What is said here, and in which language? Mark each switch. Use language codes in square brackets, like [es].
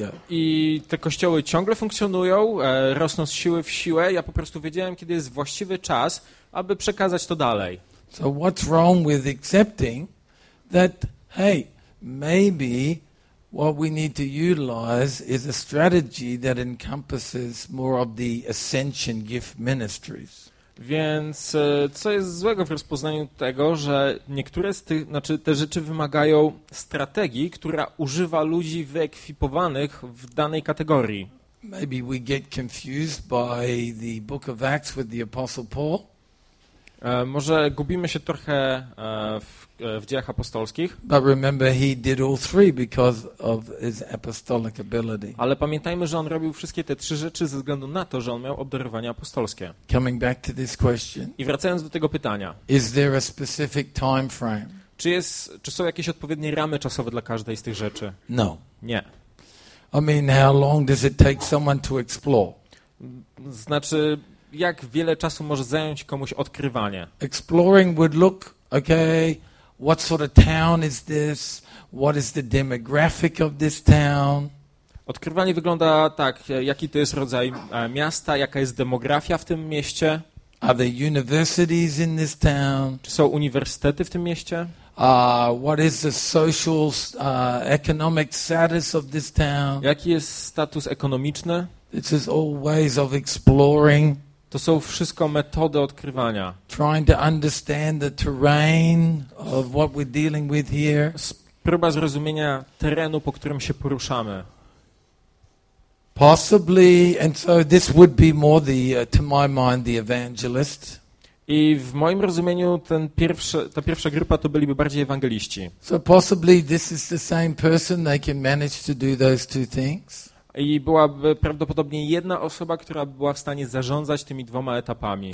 [pl] I te kościoły ciągle funkcjonują, rosną z siły w siłę. Ja po prostu wiedziałem, kiedy jest właściwy czas, aby przekazać to dalej. [en] So what's wrong with accepting that, hey, maybe what we need to utilize is a strategy that encompasses more of the ascension gift ministries. [pl] Więc co jest złego w rozpoznaniu tego, że niektóre z tych, znaczy te rzeczy wymagają strategii, która używa ludzi wyekwipowanych w danej kategorii. [en] Maybe we get confused by the book of Acts with the apostle Paul. [pl] Może gubimy się trochę w dziejach apostolskich. [en] But remember, he did all three because of his apostolic ability. [pl] Ale pamiętajmy, że on robił wszystkie te trzy rzeczy ze względu na to, że on miał obdarowania apostolskie. [en] Coming back to this question. [pl] I wracając do tego pytania. [en] Is there a specific time frame? [pl] Czy są jakieś odpowiednie ramy czasowe dla każdej z tych rzeczy? [en] No. [pl] Nie. [en] I mean, how long does it take someone to explore? [pl] Znaczy, jak wiele czasu może zająć komuś odkrywanie? [en] Exploring would look, okay, what sort of town is this? What is the demographic of this town? [pl] Odkrywanie wygląda tak, jaki to jest rodzaj miasta, jaka jest demografia w tym mieście? [en] Are there universities in this town? [pl] Czy są uniwersytety w tym mieście? [en] What is the social economic status of this town? [pl] Jaki jest status ekonomiczny? [en] This is all ways of exploring. [pl] To są wszystko metody odkrywania. [en] Trying to understand the terrain of what we're dealing with here. [pl] Próba zrozumienia terenu, po którym się poruszamy. [en] Possibly, and so this would be more the, to my mind, the evangelist. [pl] I w moim rozumieniu ta pierwsza grupa to byliby bardziej ewangeliści. [en] So possibly this is the same person, they can manage to do those two things. [pl] I byłaby prawdopodobnie jedna osoba, która była w stanie zarządzać tymi dwoma etapami.